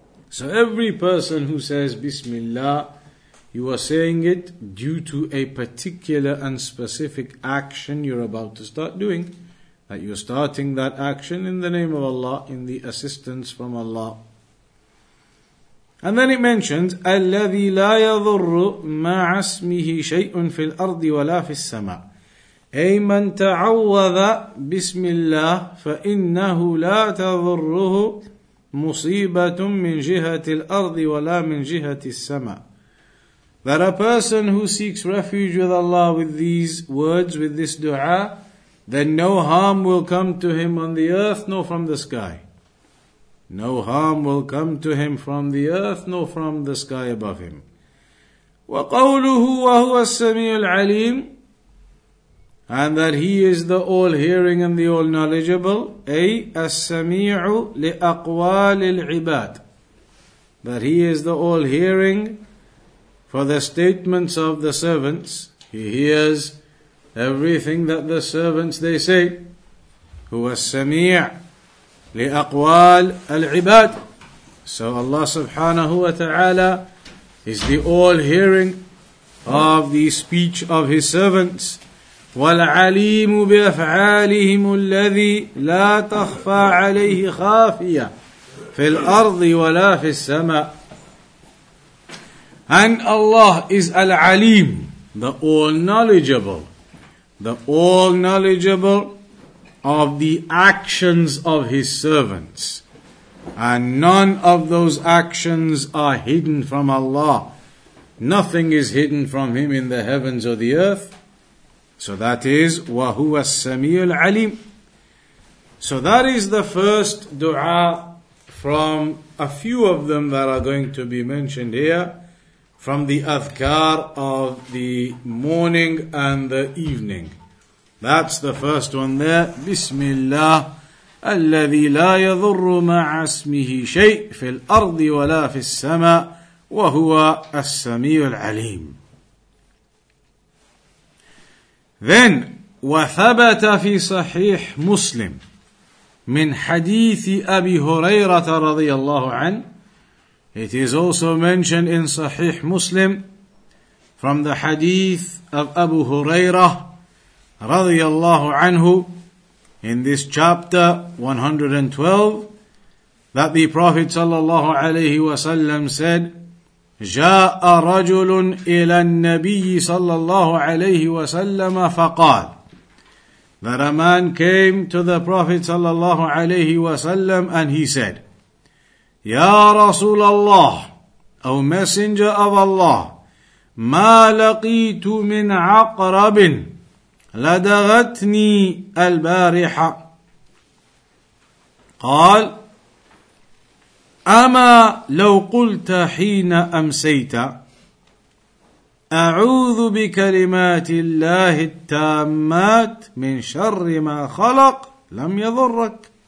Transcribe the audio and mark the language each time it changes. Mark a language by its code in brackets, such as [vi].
[en] So every person who says Bismillah, you are saying it due to a particular and specific action you're about to start doing. That you're starting that action in the name of Allah, in the assistance from Allah. [ar] And then it mentions, الَّذِي لَا يَضُرُّ مَا عَسْمِهِ شَيْءٌ فِي الْأَرْضِ وَلَا فِي السَّمَاءِ أَيْ مَنْ تَعَوَّذَ بِسْمِ اللَّهِ فَإِنَّهُ لَا تَضُرُّهُ مُصِيبَةٌ مِّنْ جِهَةِ الْأَرْضِ وَلَا مِّنْ جِهَةِ السَّمَاءِ. [en] That a person who seeks refuge with Allah with these words, with this dua, then no harm will come to him on the earth nor from the sky. No harm will come to him from the earth nor from the sky above him. [ar] وَقَوْلُهُ وَهُوَ السَّمِيعُ الْعَلِيمُ. [en] And that he is the all-hearing and the all-knowledgeable. [ar] أي السَّمِيعُ لِأَقْوَالِ الْعِبَادِ. [en] That he is the all-hearing for the statements of the servants. He hears everything that the servants they say. [ar] هُوَ السَّمِيعُ لأقوال العباد. [en] So Allah subhanahu wa ta'ala is the all-hearing of the speech of His servants. [ar] وَالْعَلِيمُ بِأَفْعَالِهِمُ الَّذِي لَا تَخْفَى عَلَيْهِ خَافِيَةً فِي الْأَرْضِ وَلَا فِي السَّمَاءِ. [en] And Allah is al-alim, the all-knowledgeable, the all-knowledgeable of the actions of His servants. And none of those actions are hidden from Allah. Nothing is hidden from Him in the heavens or the earth. So that is, [ar] وَهُوَ السَّمِيعُ الْعَلِيمُ. [en] So that is the first dua from a few of them that are going to be mentioned here from the adhkar of the morning and the evening. That's the first one there. Bismillah. [ar] الذي لا يضر مع اسمه شيء في الأرض ولا في السماء وهو السميع العليم. Then وثبت في صحيح مسلم من حديث أبي هريرة رضي الله عنه. [en] It is also mentioned in صحيح مسلم from the hadith of Abu Huraira [ar] رضي الله عنه. [en] In this chapter 112, that the Prophet sallallahu alayhi wa sallam said, [ar] جَاءَ رَجُلٌ إِلَى النَّبِيِّ [en] sallallahu alayhi wa sallam [ar] فَقَالَ. [en] That a man came to the Prophet sallallahu alayhi wa sallam and he said, [ar] يَا رَسُولَ اللَّهِ, [en] O Messenger of Allah, [ar] مَا لَقِيتُ مِنْ عَقْرَبٍ لدغتني البارحة. قال أما لو قلت حين أمسيت أعوذ بكلمات الله التامات من شر ما خلق لم يضرك.